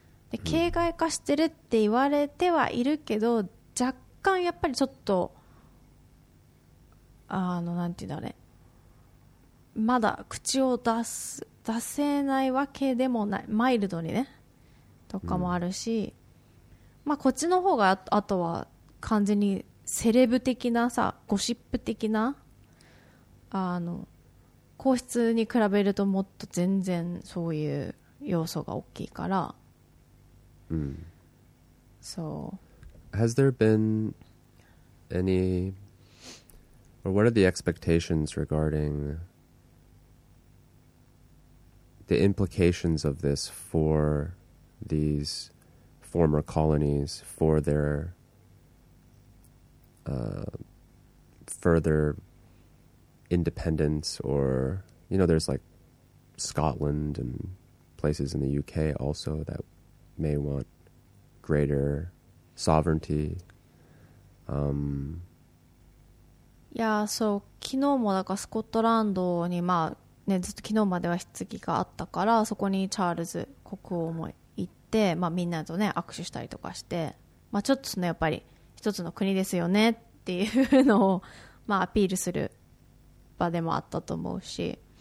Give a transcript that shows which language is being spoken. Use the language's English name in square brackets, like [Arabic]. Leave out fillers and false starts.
[Japanese] で形骸化してるって言われてはいるけど、若干やっぱりちょっとなんていうんだろうね、まだ口を出せないわけでもない、マイルドにねとかもあるし、まあこっちの方が あとは完全にセレブ的なさ、ゴシップ的な皇室に比べるともっと全然そういう要素が大きいから、うん、そう。 [English] Has there been any, or what are the expectations regarding the implications of this for these former colonies, for theirfurther independence, or you know, there's like Scotland and places in the UK also that may want greater sovereignty. Yeah, so [Japanese] 昨日もなんかスコットランドにまあね、ずっと昨日までは棺があったから、そこにチャールズ国王も行って、まあみんなとね握手したりとかして、まあちょっとそのやっぱり一つの国ですよねっていうのを、まあ、アピールする場でもあったと思うし、